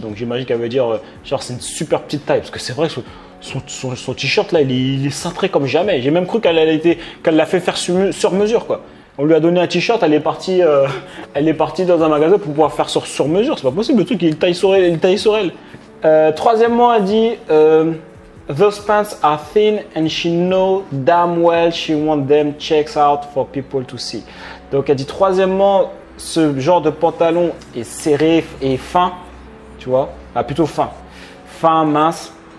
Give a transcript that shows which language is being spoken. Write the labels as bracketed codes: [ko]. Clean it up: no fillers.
[fr] Donc j'imagine qu'elle veut dire, genre, c'est une super petite taille. Parce que c'est vrai que son t-shirt là, il est cintré comme jamais. J'ai même cru qu'elle l'a fait faire sur mesure, quoi. On lui a donné un t-shirt, elle est partie dans un magasin pour pouvoir faire sur mesure. C'est pas possible, le truc, il taille sur elle. Troisièmement, elle dit, [en] those pants are thin and she knows damn well she wants them checked out for people to see. [fr] Donc elle dit troisièmement, ce genre de pantalon est serré et fin, tu vois, ah, plutôt fin, mince.